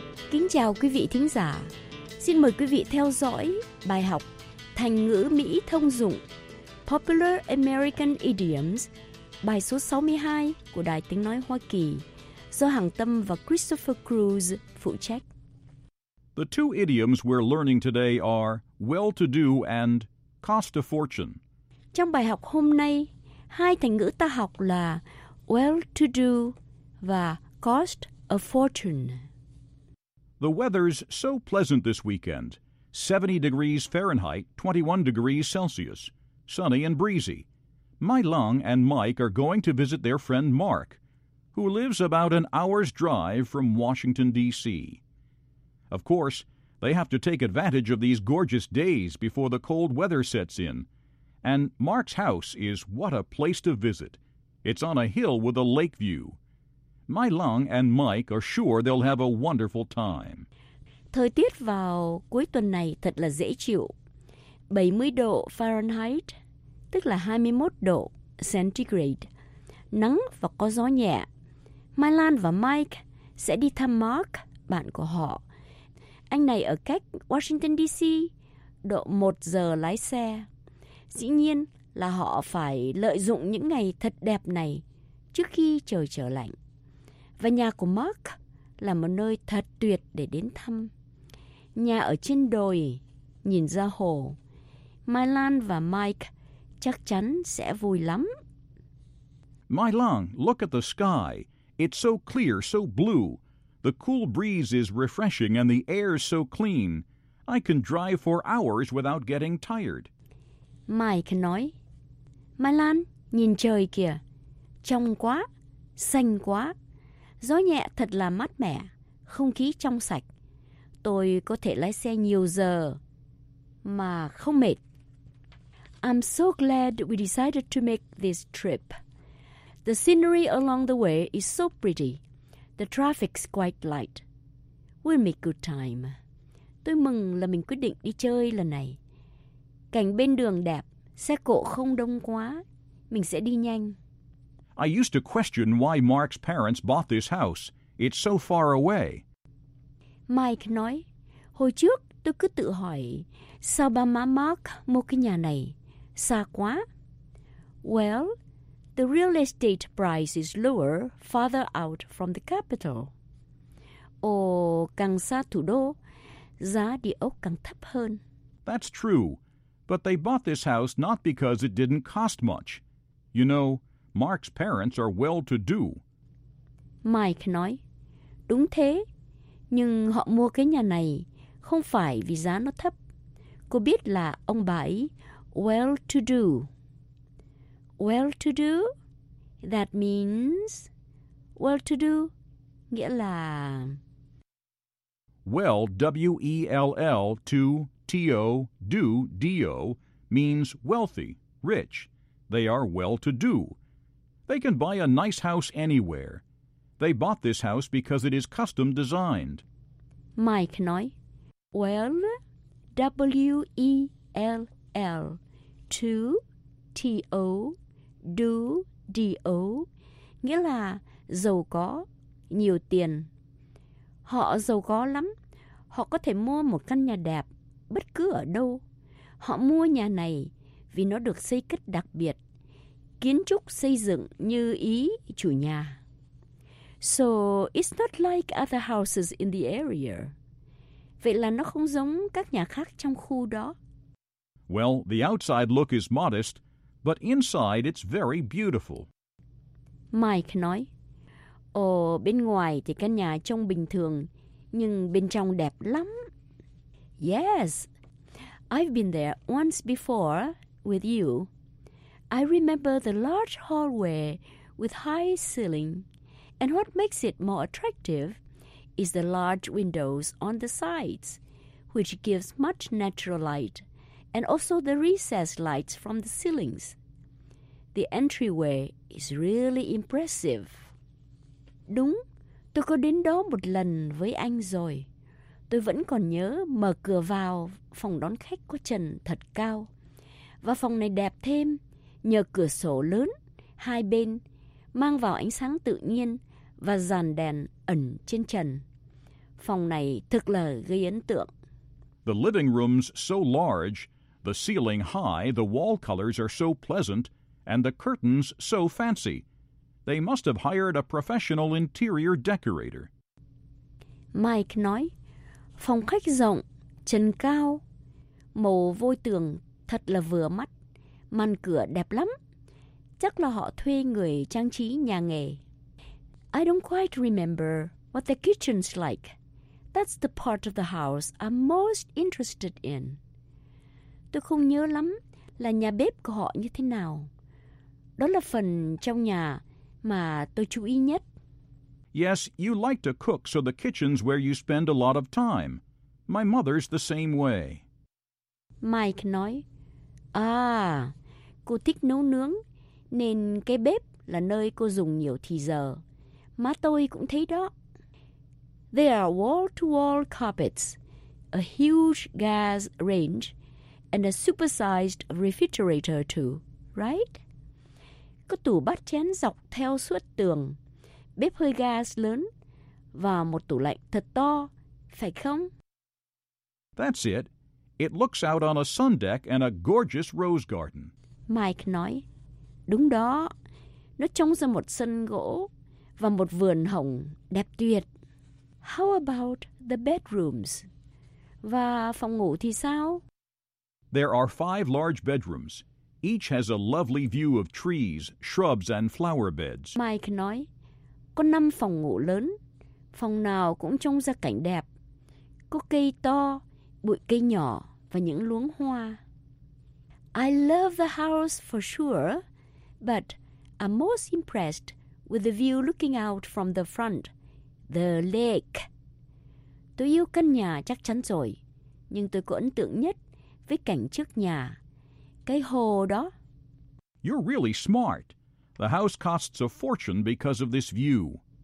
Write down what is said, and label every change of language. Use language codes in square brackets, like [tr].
[vi] Kính chào quý vị thính giả. Xin mời quý vị theo dõi bài học thành ngữ Mỹ thông dụng Popular American Idioms, bài số 62 của Đài Tiếng Nói Hoa Kỳ, do Hằng Tâm và Christopher Cruz phụ trách. [en] The two idioms we're learning today are well-to-do and cost a fortune. [vi] Trong bài học hôm nay, hai thành ngữ ta học là well-to-do và [en] cost a fortune. The weather's so pleasant this weekend. 70 degrees Fahrenheit, 21 degrees Celsius. Sunny and breezy. My Lung and Mike are going to visit their friend Mark, who lives about an hour's drive from Washington, D.C. Of course, they have to take advantage of these gorgeous days before the cold weather sets in. And Mark's house is what a place to visit. It's on a hill with a lake view. My Lung and Mike are sure they'll have a wonderful time. [vi] Thời tiết vào cuối tuần này thật là dễ chịu. 70 độ Fahrenheit, tức là 21 độ Centigrade. Nắng và có gió nhẹ. My Lung và Mike sẽ đi thăm Mark, bạn của họ. Anh này ở cách Washington DC, độ 1 giờ lái xe. Dĩ nhiên là họ phải lợi dụng những ngày thật đẹp này trước khi trời trở lạnh. Và nhà của Mark là một nơi thật tuyệt để đến thăm. Nhà ở trên đồi, nhìn ra hồ. My Lung và Mike chắc chắn sẽ vui lắm. [en] My Lung, look at the sky. It's so clear, so blue. The cool breeze is refreshing and the air is so clean. I can drive for hours without getting tired. [vi] Mike nói, My Lung, nhìn trời kìa. Trong quá, xanh quá. Gió nhẹ thật là mát mẻ, không khí trong sạch. Tôi có thể lái xe nhiều giờ mà không mệt. [en] I'm so glad we decided to make this trip. The scenery along the way is so pretty. The traffic's quite light. We'll make good time. [vi] Tôi mừng là mình quyết định đi chơi lần này. Cảnh bên đường đẹp, xe cộ không đông quá. Mình sẽ đi nhanh. [en] I used to question why Mark's parents bought this house. It's so far away. [vi] Mike nói, hồi trước tôi cứ tự hỏi, sao ba má Mark mua cái nhà này? Xa quá. [en] Well, the real estate price is lower farther out from the capital. [vi] Ồ, càng xa thủ đô, giá địa ốc càng thấp hơn. [en] That's true. But they bought this house not because it didn't cost much. You know, Mark's parents are well-to-do. [vi] Mike nói, đúng thế, nhưng họ mua cái nhà này không phải vì giá nó thấp. Cô biết là ông bà ấy well-to-do. [en] Well-to-do, that means well-to-do, [vi] nghĩa là [en] well, W-E-L-L, to T-O, do, D-O, means wealthy, rich. They are well-to-do. They can buy a nice house anywhere. They bought this house because it is custom designed. [vi] Mike nói, well, W-E-L-L, to, T-O, do, D-O, nghĩa là giàu có, nhiều tiền. Họ giàu có lắm. Họ có thể mua một căn nhà đẹp bất cứ ở đâu. Họ mua nhà này vì nó được xây cất đặc biệt. Kiến trúc xây dựng như ý chủ nhà. [en] So, it's not like other houses in the area. [vi] Vậy là nó không giống các nhà khác trong khu đó. [en] Well, the outside look is modest, but inside it's very beautiful. [vi] Mike nói, Ồ, bên ngoài thì căn nhà trông bình thường, nhưng bên trong đẹp lắm. [en] Yes, I've been there once before with you. I remember the large hallway with high ceiling, and what makes it more attractive is the large windows on the sides, which gives much natural light, and also the recessed lights from the ceilings. The entryway is really impressive. [vi] Đúng, tôi có đến đó một lần với anh rồi. Tôi vẫn còn nhớ mở cửa vào phòng đón khách có trần thật cao. Và phòng này đẹp thêm nhờ cửa sổ lớn hai bên mang vào ánh sáng tự nhiên và dàn đèn ẩn trên trần. Phòng này thực là gây ấn tượng. [en] The living room's so large, the ceiling high, the wall colors are so pleasant, and the curtains so fancy. They must have hired a professional interior decorator. [vi] Mike nói, phòng khách rộng, trần cao, màu vôi tường thật là vừa mắt, màn cửa đẹp lắm. Chắc là họ thuê người trang trí nhà nghề. [en] I don't quite remember what the kitchen's like. That's the part of the house I'm most interested in. [vi] Tôi không nhớ lắm là nhà bếp của họ như thế nào. Đó là phần trong nhà mà tôi chú ý nhất. [en] Yes, you like to cook, so the kitchen's where you spend a lot of time. My mother's the same way. [vi] Mike nói, à, cô thích nấu nướng, nên cái bếp là nơi cô dùng nhiều thì giờ. Má tôi cũng thấy đó. [en] There are wall-to-wall carpets, a huge gas range, and a supersized refrigerator too, right? [vi] Có tủ bát chén dọc theo suốt tường, bếp hơi gas lớn, và một tủ lạnh thật to, phải không? [en] That's it. It looks out on a sun deck and a gorgeous rose garden. [vi] Mike nói, đúng đó, nó trông ra một sân gỗ và một vườn hồng đẹp tuyệt. [en] How about the bedrooms? [vi] Và phòng ngủ thì sao? [en] There are 5 large bedrooms. Each has a lovely view of trees, shrubs, and flower beds. [vi] Mike nói, có 5 phòng ngủ lớn. Phòng nào cũng trông ra cảnh đẹp. Có cây to, bụi cây nhỏ và những luống hoa. [en] I love the house for sure, but I'm most impressed with the view looking out from the front. The lake. [vi] Tôi yêu căn nhà chắc chắn rồi, nhưng tôi có ấn tượng nhất với cảnh trước nhà, cái hồ đó. [en] You're really smart. The house costs a fortune because of this view.